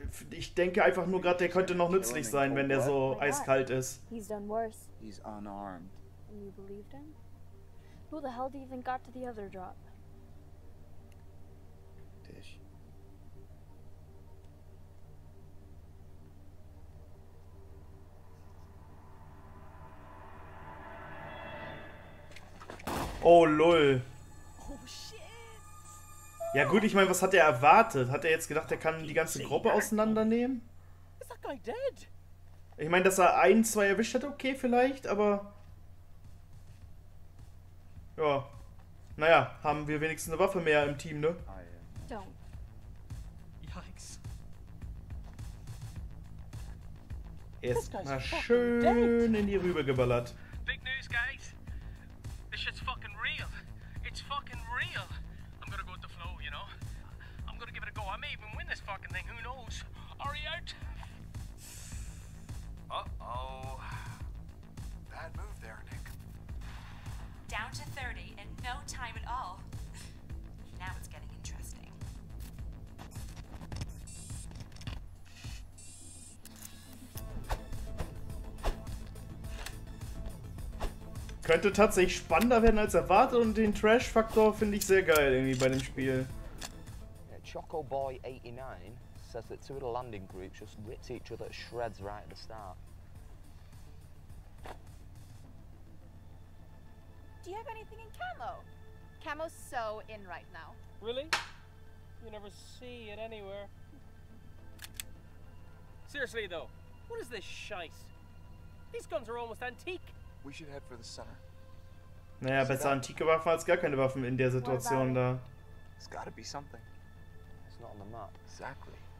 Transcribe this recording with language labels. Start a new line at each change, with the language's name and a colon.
German: Ich denke einfach nur gerade, der könnte noch nützlich sein, wenn der so eiskalt ist.
English: He's done worse. He's unarmed. And you believed him? Who the hell do you think got to the other drop? Tish. Oh, lol. Oh, shit.
German: Ja gut, ich meine, was hat er erwartet? Hat er jetzt gedacht, er kann die ganze Gruppe auseinandernehmen?
English: Is that guy dead?
German: Ich meine, dass er ein, zwei erwischt hat, okay, vielleicht, aber... Ja. Naja, haben wir wenigstens eine Waffe mehr im Team, ne?
English: Yikes.
German: Er ist mal schön in die Rübe geballert.
English: Big news, guys. This shit's fucking real. It's fucking real. I'm gonna go with the flow, you know? I'm gonna give it a go. I may even win this fucking thing. Who knows? Are you out? Uh-oh. Bad move there, Nick. Down to 30 in no time at all. Now it's getting interesting.
German: Könnte tatsächlich spannender werden als erwartet und den Trash-Faktor finde ich sehr geil irgendwie bei dem Spiel.
English: ChocoBoy89 says that two of the landing groups just ripped each other shreds right at the start. Do you have anything in camo? Camo's so in right now. Really? You never see it anywhere. Seriously though, what is this scheiß? These guns are almost antique. We should head for the center.
German: Naja, besser antike Waffen als gar keine Waffen in der Situation da.
English: It's gotta be something. It's not on the map. Exactly.